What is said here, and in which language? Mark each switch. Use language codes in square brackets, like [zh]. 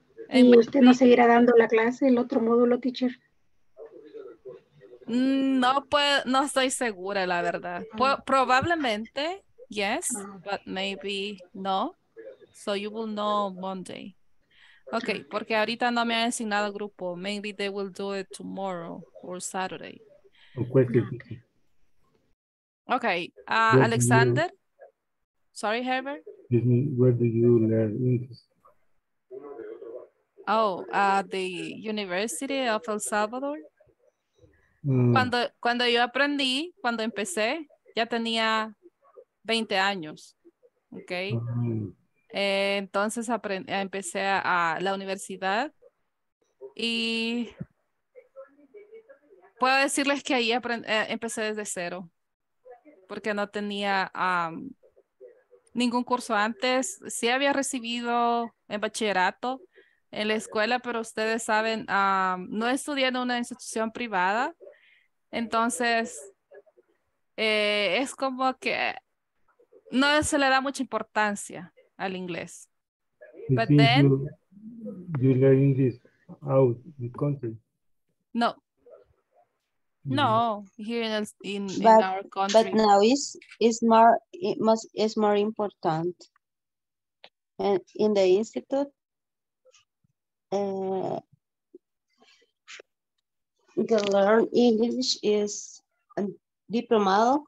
[es] ¿Y usted no seguirá dando la clase, el otro módulo, teacher? No puedo, no estoy segura, la verdad. Probablemente, [en] yes, but maybe no. So you will know Monday. [es] Okay, porque ahorita no me han asignado grupo. [en] Maybe they will do it tomorrow or Saturday. Okay. Okay, Alexander. Sorry, Herbert. Where do you learn English? Oh, the University of El Salvador. [es] Cuando yo aprendí, cuando empecé, ya tenía 20 años. Okay. Entonces empecé a la universidad y puedo decirles que ahí empecé desde cero porque no tenía ningún curso antes. Sí había recibido en bachillerato en la escuela, pero ustedes saben, no estudié en una institución privada. Entonces, es como que no se le da mucha importancia al inglés. [en] But then, you learn English out the country? No. No, here in our country. But now it's more important. And in the institute, the learn English is diplomado.